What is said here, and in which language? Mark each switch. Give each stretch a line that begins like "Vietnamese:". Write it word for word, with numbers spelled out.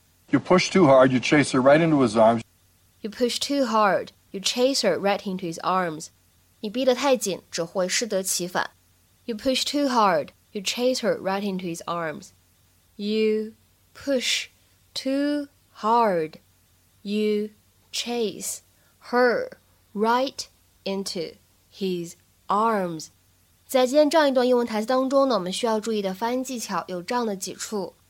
English: You push too hard, you chase her right into his arms. You push too hard, you chase her right into his arms.
Chinese: 你逼得太紧，只会适得其反。
English: You push too hard, you chase her right into his arms. You push too hard, you chase her right into his arms.
Chinese: 在今天这样一段英文台词当中呢，我们需要注意的发音技巧有这样的几处。